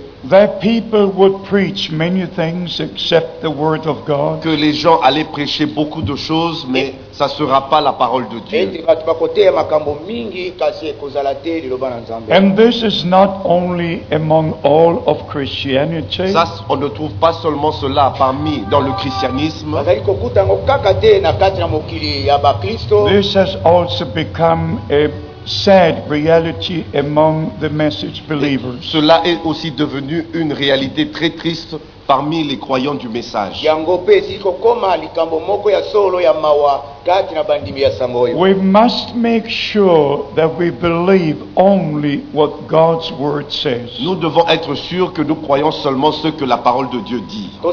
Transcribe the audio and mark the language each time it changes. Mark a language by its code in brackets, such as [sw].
[en] that people would preach many things except the word of God, [fr] que les gens allaient prêcher beaucoup de choses mais ça sera pas la parole de Dieu. [en] And this is not only among all of Christianity. [fr] Ça, on ne trouve pas seulement cela parmi dans le christianisme. [en] This has also become a sad reality among the message believers. [fr] Cela est aussi devenu une réalité très triste parmi les croyants du message. [en] We must make sure that we believe only what God's word says. [fr] Nous devons être sûrs que nous croyons seulement ce que la parole de Dieu dit.